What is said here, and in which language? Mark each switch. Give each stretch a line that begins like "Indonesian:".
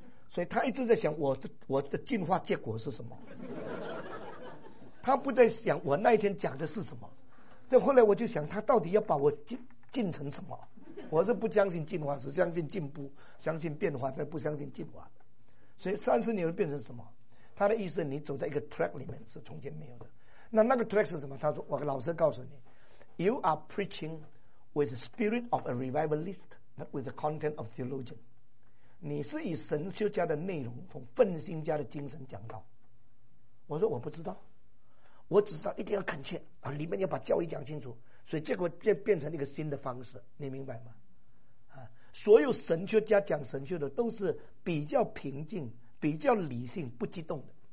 Chinese: 所以他一直在想我的进化结果是什么，他不在想我那一天讲的是什么。这后来我就想，他到底要把我进成什么？我是不相信进化，是相信进步，相信变化，但不相信进化。所以三十年会变成什么？他的意思，你走在一个 track 里面是从前没有的。那个 track 是什么？他说，我老实告诉你，
English: You are preaching with the spirit of a revivalist, not with the content of theologian.
Chinese: 你是以神学家的内容和奋兴家的精神讲道。我说我不知道，我只知道一定要恳切啊，里面要把教义讲清楚。所以结果就变成一个新的方式，你明白吗？所有神学家讲神学的都是比较平静，比较理性，不激动的。